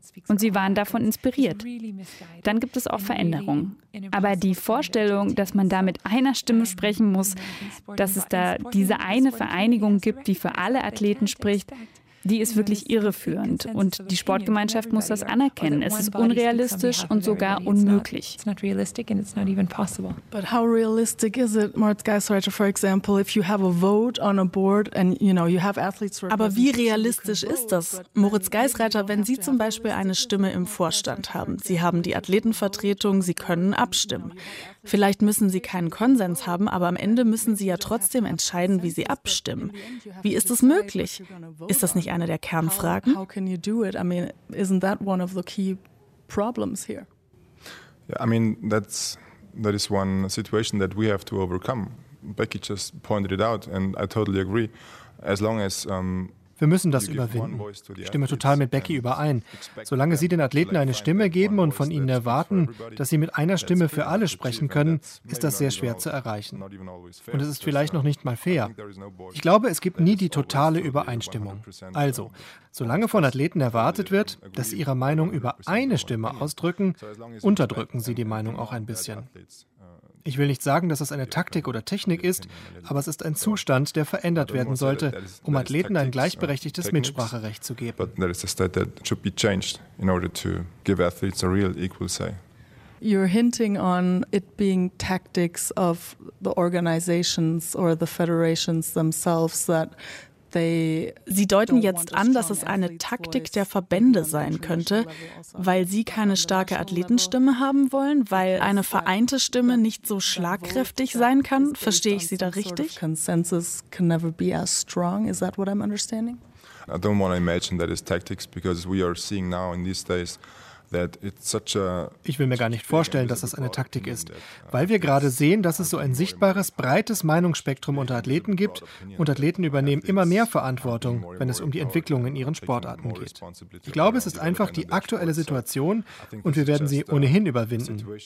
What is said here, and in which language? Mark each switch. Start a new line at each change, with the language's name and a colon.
German: Und sie waren davon inspiriert. Dann gibt es auch Veränderungen. Aber die Vorstellung, dass man da mit einer Stimme sprechen muss, dass es da diese eine Vereinigung gibt, die für alle Athleten spricht, die ist wirklich irreführend. Und die Sportgemeinschaft muss das anerkennen. Es ist unrealistisch und sogar unmöglich.
English: But how realistic is it, Moritz Geisreiter, for example, if you have a vote on a board and you know you have athletes?
German: Aber wie realistisch ist das, Moritz Geisreiter, wenn Sie zum Beispiel eine Stimme im Vorstand haben? Sie haben die Athletenvertretung, Sie können abstimmen. Vielleicht müssen Sie keinen Konsens haben, aber am Ende müssen Sie ja trotzdem entscheiden, wie Sie abstimmen. Wie ist es möglich? Ist das nicht eine der Kernfragen?
English: How can you do it? I mean, isn't that one of the key problems here? Yeah, I mean, that is one situation that we have to overcome. Becky just pointed it out and I totally agree. As long as
German: Wir müssen das überwinden. Ich stimme total mit Becky überein. Solange Sie den Athleten eine Stimme geben und von ihnen erwarten, dass sie mit einer Stimme für alle sprechen können, ist das sehr schwer zu erreichen. Und es ist vielleicht noch nicht mal fair. Ich glaube, es gibt nie die totale Übereinstimmung. Also, solange von Athleten erwartet wird, dass sie ihre Meinung über eine Stimme ausdrücken, unterdrücken sie die Meinung auch ein bisschen. Ich will nicht sagen, dass das eine Taktik oder Technik ist, aber es ist ein Zustand, der verändert werden sollte, um Athleten ein gleichberechtigtes Mitspracherecht zu geben.
English: That is a state that should be changed in order to give athletes a real equal say. You're hinting on it being tactics of the organizations or the federations themselves that.
German: Sie deuten jetzt an, dass es eine Taktik der Verbände sein könnte, weil sie keine starke Athletenstimme haben wollen, weil eine vereinte Stimme nicht so schlagkräftig sein kann. Verstehe ich Sie da richtig?
English: Consensus can never be as strong. Is that what I'm understanding? I don't want to imagine that is tactics, because we are seeing now in these days.
German: Ich will mir gar nicht vorstellen, dass das eine Taktik ist, weil wir gerade sehen, dass es so ein sichtbares, breites Meinungsspektrum unter Athleten gibt und Athleten übernehmen immer mehr Verantwortung, wenn es um die Entwicklung in ihren Sportarten geht. Ich glaube, es ist einfach die aktuelle Situation und wir werden sie ohnehin überwinden.